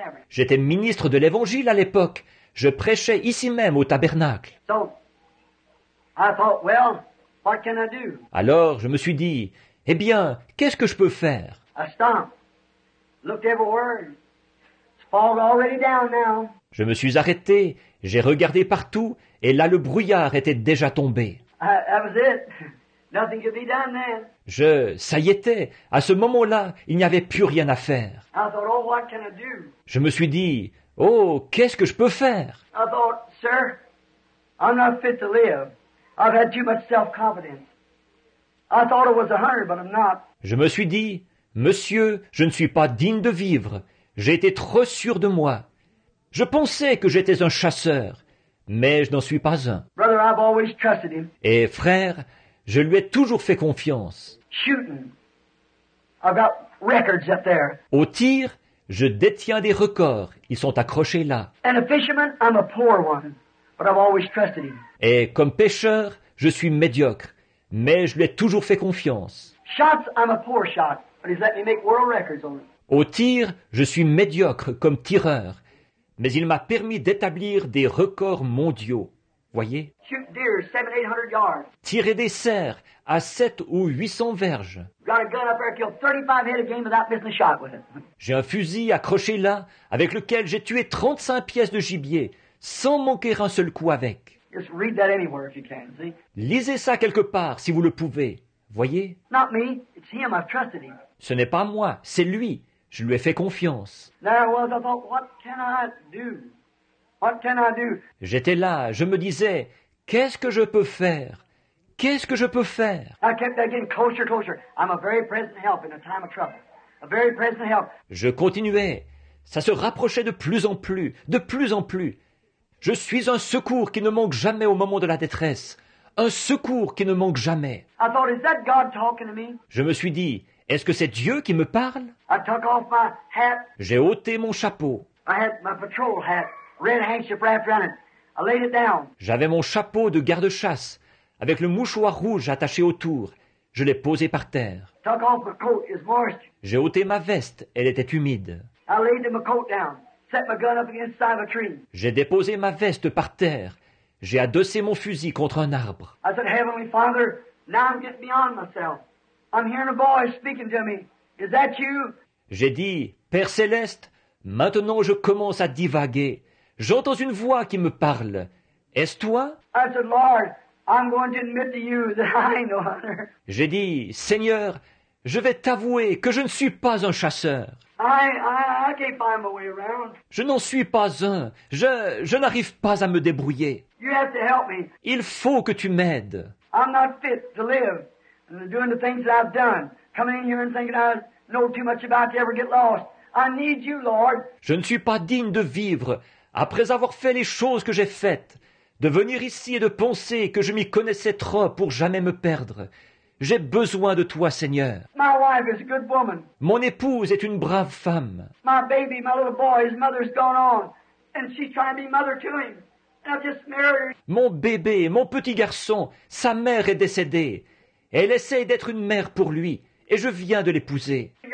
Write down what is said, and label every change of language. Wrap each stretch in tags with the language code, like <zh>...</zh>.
<fr>J'étais ministre de l'Évangile à l'époque. Je prêchais ici même au tabernacle.</fr> <en>So, I thought, well, what can I do?</en> <fr>Alors, je me suis dit, eh bien, qu'est-ce que je peux faire?</fr> <en>I stopped, looked everywhere. It's fog already down now.</en> <fr>Je me suis arrêté, j'ai regardé partout, et là, le brouillard était déjà tombé.</fr> <en>That was it. Nothing could be done then.</en> <fr>Ça y était. À ce moment-là, il n'y avait plus rien à faire.</fr> <en>I thought, oh, what can I do?</en> <fr>Je me suis dit, oh, qu'est-ce que je peux faire?</fr> <en>I thought, sir, I'm not fit to live. I've had too much self-confidence. I thought it was 100, but I'm not.</en> <fr>Je me suis dit, monsieur, je ne suis pas digne de vivre. J'ai été trop sûr de moi. Je pensais que j'étais un chasseur, mais je n'en suis pas un.</fr> <en>Brother, I've always trusted him.</en> <fr>Et frère, je lui ai toujours fait confiance.</fr> <en>Shooting. I've got records up there.</en> <fr>Au tir, je détiens des records. Ils sont accrochés là.</fr> <en>And a fisherman, I'm a poor one, but I've always trusted him.</en> <fr>Et comme pêcheur, je suis médiocre, mais je lui ai toujours fait confiance.</fr> <en>Shots, I'm a poor shot, but he's let me make world records on it.</en> <fr>Au tir, je suis médiocre comme tireur, mais il m'a permis d'établir des records mondiaux. Voyez?</fr> <en>Shoot deer, 700-800 yards.</en> <fr>Tirer des cerfs à 700 ou 800 verges.</fr> <en>Got a gun up there, killed 35 head of game without missing a shot with it.</en> <fr>J'ai un fusil accroché là, avec lequel j'ai tué 35 pièces de gibier, sans manquer un seul coup avec.</fr> <en>Just read that anywhere if you can, see?</en> <fr>Lisez ça quelque part, si vous le pouvez. Voyez?</fr> <en>Not me, it's him, I've trusted him.</en> <fr>Ce n'est pas moi, c'est lui. Je lui ai fait confiance.</fr> <en>There was, I thought, what can I do? What can I do?</en> <fr>J'étais là, je me disais, qu'est-ce que je peux faire? Qu'est-ce que je peux faire?</fr> <en>I kept getting closer, closer. I'm a very present help in a time of trouble. A very present help.</en> <fr>Je continuais. Ça se rapprochait de plus en plus, de plus en plus. Je suis un secours qui ne manque jamais au moment de la détresse. Un secours qui ne manque jamais.</fr> <en>I thought, is that God talking to me?</en> <fr>Je me suis dit, est-ce que c'est Dieu qui me parle?</fr> <en>I took off my hat.</en> <fr>J'ai ôté mon chapeau.</fr> <en>I had my patrol hat. Red handkerchief wrapped around it. I laid it down.</en> <fr>J'avais mon chapeau de garde-chasse avec le mouchoir rouge attaché autour. Je l'ai posé par terre.</fr> <en>Took off my coat. It's moist.</en> <fr>J'ai ôté ma veste. Elle était humide.</fr> <en>I laid my coat down. Set my gun up against the side of a tree.</en> <fr>J'ai déposé ma veste par terre. J'ai adossé mon fusil contre un arbre.</fr> <en>I said, Heavenly Father, now I'm getting beyond myself. I'm hearing a voice speaking to me. Is that you?</en> <fr>J'ai dit, Père Céleste, maintenant je commence à divaguer. J'entends une voix qui me parle. Est-ce toi?</fr> <en>I said, Lord, I'm going to admit to you that I ain't no hunter.</en> <fr>J'ai dit, Seigneur, je vais t'avouer que je ne suis pas un chasseur.</fr> <en>I can't find my way around.</en> <fr>Je n'en suis pas un. Je n'arrive pas à me débrouiller.</fr> <en>You have to help me.</en> <fr>Il faut que tu m'aides.</fr> <en>I'm not fit to live. Doing the things that I've done. Coming in here and thinking I know too much about to ever get lost. I need you, Lord.</en> <fr>Je ne suis pas digne de vivre. Après avoir fait les choses que j'ai faites, de venir ici et de penser que je m'y connaissais trop pour jamais me perdre, j'ai besoin de toi, Seigneur.</fr> <en>My wife is a good woman.</en> <fr>Mon épouse est une brave femme.</fr> <en>My baby, my little boy, his mother's gone on, and she's trying to be mother to him. And I've just married her.</en> <fr>Mon bébé, mon petit garçon, sa mère est décédée. Elle essaie d'être une mère pour lui, et je viens de l'épouser.</fr>